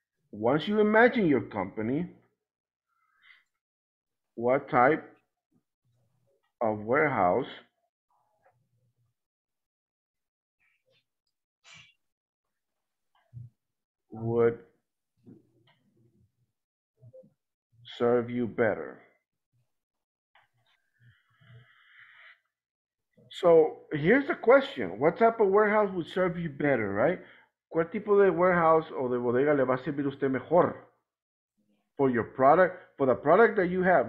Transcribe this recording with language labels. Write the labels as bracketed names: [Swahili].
[English] Once you imagine your company, what type of warehouse would serve you better? So here's the question. What type of warehouse would serve you better, right? [Spanish] ¿Cuál tipo de warehouse o de bodega le va a servir usted mejor? [English] For your product, for the product that you have.